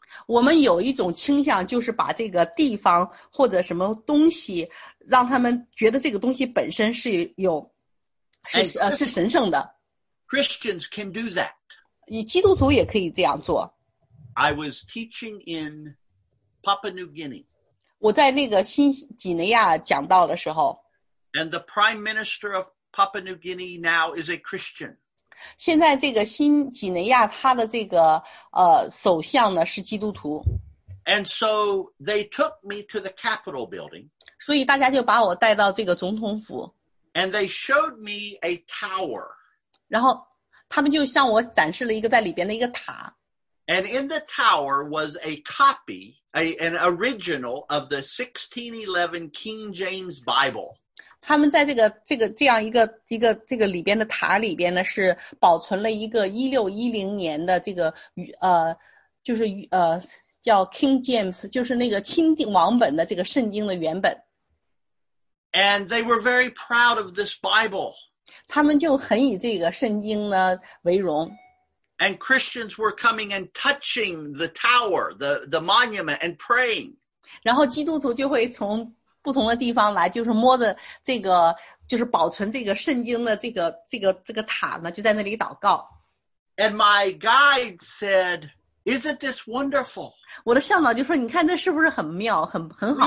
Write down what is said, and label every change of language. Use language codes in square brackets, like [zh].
[zh] 我们有一种倾向，就是把这个地方或者什么东西，让他们觉得这个东西本身是有，是神圣的。 [en] Christians can do that. [zh] 你基督徒也可以这样做。 [en] I was teaching in Papua New Guinea. [zh] 我在那个新几内亚讲道的时候。 [en] And the Prime Minister of Papua New Guinea now is a Christian. [zh] 现在这个新几内亚他的这个首相呢是基督徒。 [en] And so they took me to the Capitol building. [zh] 所以大家就把我带到这个总统府。 [en] And they showed me a tower. [zh] 然后他们就向我展示了一个在里边的一个塔。 [en] And in the tower was a copy, an original of the 1611 King James Bible. [zh] 他们在这个这样一个这个里边的塔里边呢，是保存了一个1610年的这个就是叫 King James, 就是那个钦定王本的这个圣经的原本。 [en] And they were very proud of this Bible. [zh] 他们就很以这个圣经呢为荣。 [en] And Christians were coming and touching the tower, the monument, and praying. [zh] 然后基督徒就会从不同的地方来，就是摸着这个，就是保存这个圣经的这个塔呢，就在那里祷告。 [en] And my guide said, "Isn't this wonderful?" [zh] 我的向导就说：“你看这是不是很妙，很好？”